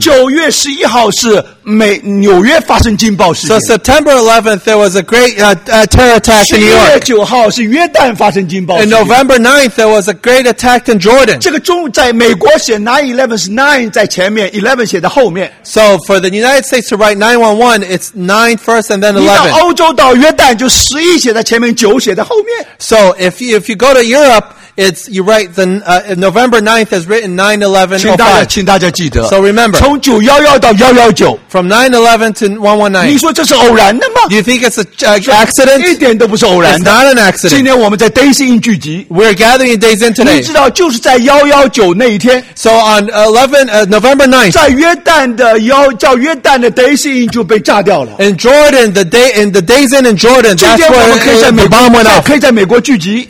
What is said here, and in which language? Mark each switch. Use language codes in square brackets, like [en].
[zh] 9月11号是美纽约发生惊爆事件。 [en] So September 11th, there was a great terror attack in New York. [zh] 7月9号是约旦发生惊爆事件。 [en] And November 9th, there was a great attack in Jordan. [zh] 这个中在美国写9/11是9在前面 ,11 写在后面。 [en] So for the United States to write 911, it's 9 first and then 11. [zh] 你到欧洲到约旦就11写在前面 ,9 写在后面。 [en] So if you go to Europe,It's, you write, the, November 9th is written 9/11/05. [zh] 请大家记得。 [en] So remember. [zh] 从911到119。 [en] From 9/11 to 119. [zh] 你说这是偶然的吗? [en] Do you think it's an accident? [zh] 一点都不是偶然的。 [en] It's not an accident. [zh] 今天我们在 Days In 聚集。 [en] We're gathering in Days In today. [zh] 你知道就是在119那一天。 [en] So on November 9th. [zh] 在约旦的幺叫约旦的 Days In 就被炸掉了。 [en] In Jordan, the Days In Jordan, that's where the bomb went off. [zh] 今天我们可以在美国, 可以在美国聚集。